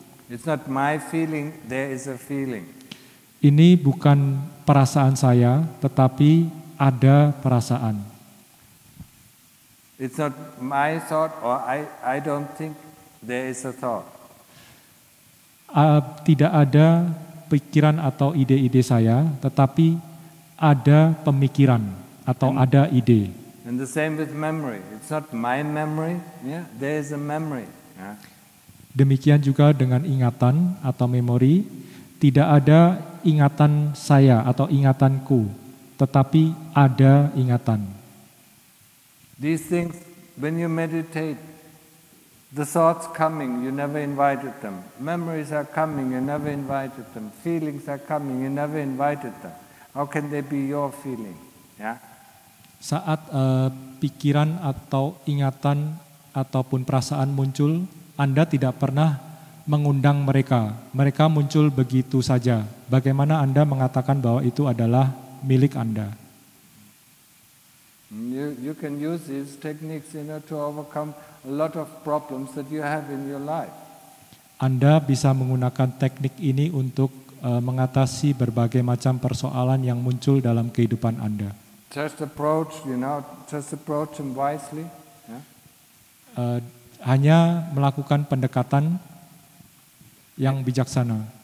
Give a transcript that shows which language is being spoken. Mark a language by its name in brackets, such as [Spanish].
[English] It's not my feeling, there is a feeling. [Indonesian] Ini bukan perasaan saya, tetapi ada perasaan. [English] It's not my thought or I don't think, there is a thought. [Indonesian] Tidak ada pikiran atau ide-ide saya, tetapi ada pemikiran atau ada ide. [English] And the same with memory. It's not my memory, yeah, there is a memory. Yeah. [Indonesian] Demikian juga dengan ingatan atau memori, tidak ada ingatan saya atau ingatanku, tetapi ada ingatan. [English] These things, when you meditate, The thoughts coming, you never invited them. Memories are coming, you never invited them. Feelings are coming, you never invited them. How can they be your feeling? Yeah. [Indonesian] Saat pikiran atau ingatan ataupun perasaan muncul, Anda tidak pernah mengundang mereka. Mereka muncul begitu saja. Bagaimana Anda mengatakan bahwa itu adalah milik Anda? [English] You can use these techniques, you know, to overcome a lot of problems that you have in your life. [Indonesian] Anda bisa menggunakan teknik ini untuk mengatasi berbagai macam persoalan yang muncul dalam kehidupan Anda. [English] Just approach, you know, just approach them wisely. Yeah? [Indonesian] Hanya melakukan pendekatan yang bijaksana.